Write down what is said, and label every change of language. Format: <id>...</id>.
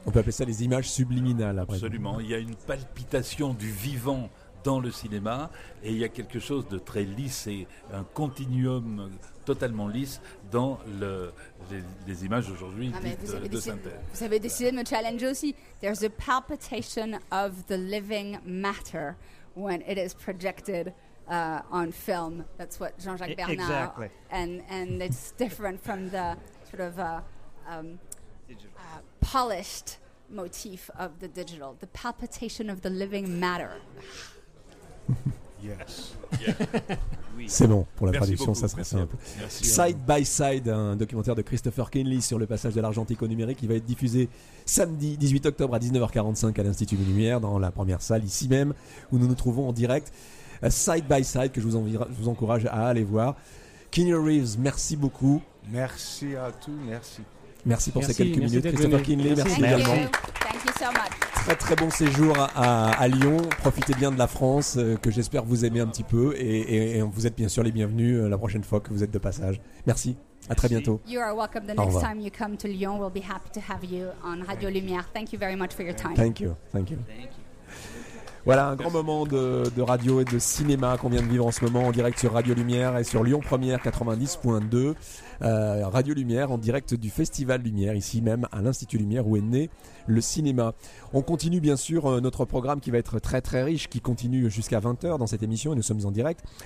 <fr>On peut appeler ça les images subliminales, après. Absolument, il y a une palpitation du vivant dans le cinéma, et il y a quelque chose de très lisse et un continuum totalement lisse dans les images aujourd'hui de synthèse. Vous avez décidé de me challenger aussi.</fr> <en>There's a palpitation of the living matter when it is projected on film. That's what Jean-Jacques Bernard. Exactly. And it's different from the sort of polished motif of the digital. The palpitation of the living matter. Yes.</en> <fr>C'est bon, pour la merci traduction, beaucoup. Ça sera merci simple. Side by Side, un documentaire de Christopher Kinley sur le passage de l'argentique au numérique qui va être diffusé samedi 18 octobre à 19h45 à l'Institut des Lumières, dans la première salle, ici même, où nous nous trouvons en direct. Side by Side, que je vous encourage à aller voir. Kinley Reeves, merci beaucoup. Merci à tous, merci. Merci pour ces quelques minutes. Christopher Kinley, merci également.</fr> <en>Thank you so much.</en> <fr>Très très bon séjour à Lyon. Profitez bien de la France, que j'espère vous aimer un petit peu. Et vous êtes bien sûr les bienvenus la prochaine fois que vous êtes de passage. Merci. À très bientôt.</fr> <en>You are welcome. The next time you come to Lyon, we'll be happy to have you on Radio Lumière. Thank you very much for your time. Thank you. Thank you.</en> <fr>Voilà un grand moment de radio et de cinéma qu'on vient de vivre en ce moment en direct sur Radio Lumière et sur Lyon Première 90.2. Radio Lumière en direct du Festival Lumière, ici même à l'Institut Lumière où est né le cinéma. On continue bien sûr notre programme qui va être très très riche, qui continue jusqu'à 20h dans cette émission et nous sommes en direct.</fr>